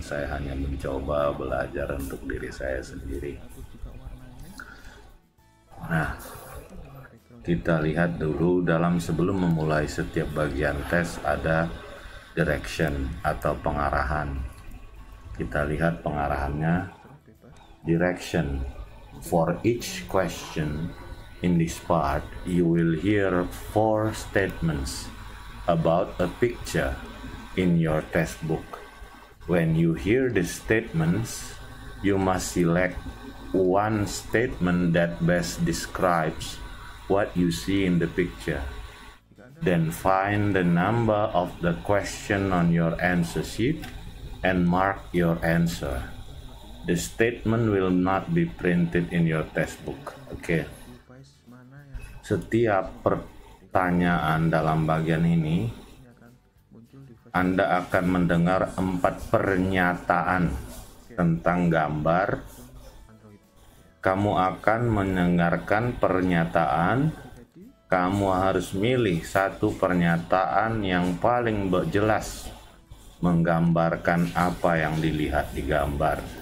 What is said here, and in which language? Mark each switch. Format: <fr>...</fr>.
<id>Saya hanya mencoba belajar untuk diri saya sendiri. Nah, kita lihat dulu, sebelum memulai setiap bagian tes ada direction atau pengarahan. Kita lihat pengarahannya.</id> <en>Direction: for each question in this part, you will hear 4 statements about a picture in your textbook. When you hear the statements, you must select one statement that best describes what you see in the picture. Then find the number of the question on your answer sheet and mark your answer. The statement will not be printed in your textbook. Okay.</en> <id>Setiap pertanyaan dalam bagian ini, Anda akan mendengar 4 pernyataan tentang gambar. Kamu akan mendengarkan pernyataan. Kamu harus milih satu pernyataan yang paling jelas menggambarkan apa yang dilihat di gambar.</id>